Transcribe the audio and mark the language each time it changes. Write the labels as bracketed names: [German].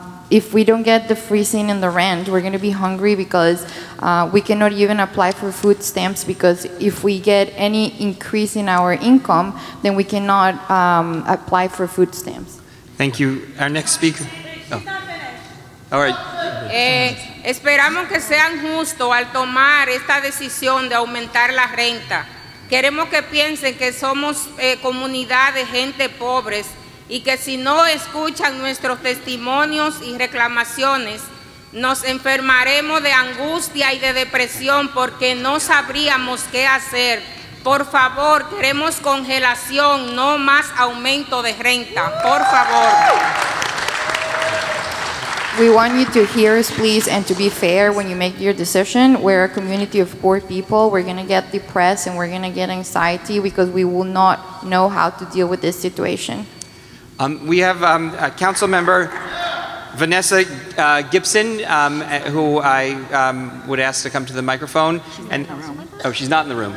[English] If we don't get the freezing in the rent, we're going to be hungry because we cannot even apply for food stamps, because if we get any increase in our income, then we cannot apply for food stamps. Thank you. Our next speaker. Oh. All right. [Spanish] Esperamos que sean justos al tomar esta decisión de aumentar la renta. Queremos que piensen que somos comunidad de gente pobres, y que si no escuchan nuestros testimonios y reclamaciones, nos enfermaremos de angustia y de depresión porque no sabríamos qué hacer. Por favor, queremos congelación, no más aumento de renta. Por favor. [English] We want you to hear us, please, and to be fair when you make your decision. We're a community of poor people. We're going to get depressed and we're going to get anxiety because we will not know how to deal with this situation. We have a council member, Vanessa Gibson, who I would ask to come to the microphone. She's not in the room.